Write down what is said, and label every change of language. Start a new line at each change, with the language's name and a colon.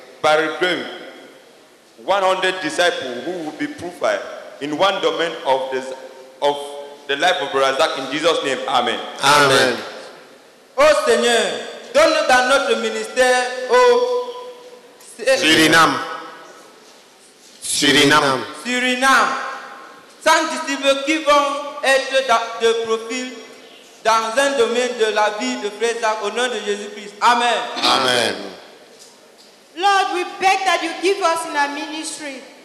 English: 100 disciples who will be profiled in one domain of the life of Brother Zach. In Jesus' name, amen. Amen.
French: Ô Seigneur, donne-nous dans notre ministère au Suriname. 100 disciples qui vont être de profil dans un domaine de la vie de frère Zach, au nom de Jésus-Christ. Amen. Amen.
English: Lord, we beg that you give us in our ministry